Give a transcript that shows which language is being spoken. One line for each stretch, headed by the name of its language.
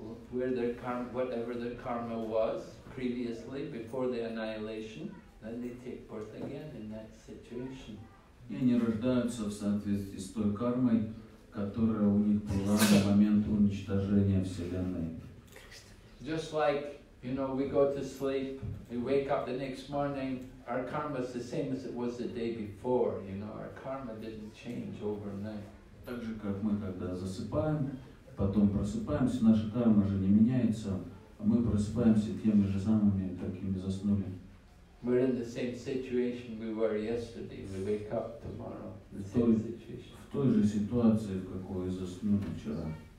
English: Where their karma, whatever their karma was previously, before the annihilation, then they take birth again in that situation.
Russian: И они рождаются в соответствии с той кармой, которая у них была на момент уничтожения Вселенной.
English: Just like, you know, we go to sleep, we wake up the next morning, our karma is the same as it was the day before, you know, our karma didn't change overnight.
Russian: Так же, как мы, когда засыпаем, потом просыпаемся, наша карма же не меняется, а мы просыпаемся теми же самыми, какими заснули.
English: We're in the same situation we were yesterday. We wake up tomorrow. The same situation.
Russian: В той же ситуации, в какой заснули вчера.